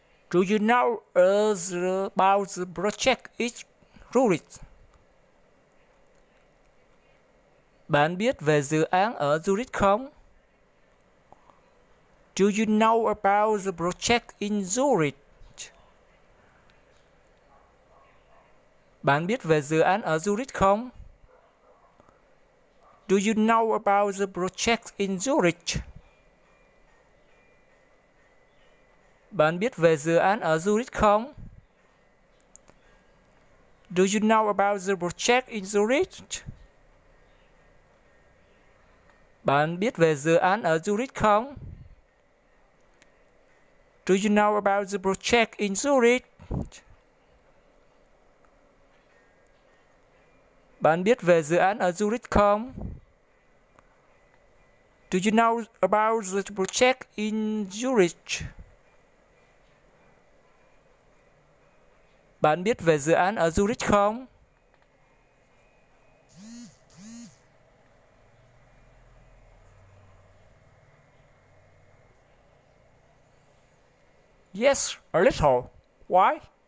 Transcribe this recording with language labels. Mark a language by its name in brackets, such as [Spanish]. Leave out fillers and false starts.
[English] Do you know about the project is Rurik? [Vietnamese] Bạn biết về dự án ở Zurich không? [English] Do you know about the project in Zurich? [Vietnamese] Bạn biết về dự án ở Zurich không? [English] Do you know about the project in Zurich? [Vietnamese] Bạn biết về dự án ở Zurich không? [English] Do you know about the project in Zurich? [Vietnamese] Bạn biết về dự án ở Zurich không? [English] Do you know about the project in Zurich? [Vietnamese] Bạn biết về dự án ở Zurich không? [English] Do you know about the project in Zurich? [Vietnamese] Bạn biết về dự án ở Zurich không? [English] Yes, a little. Why?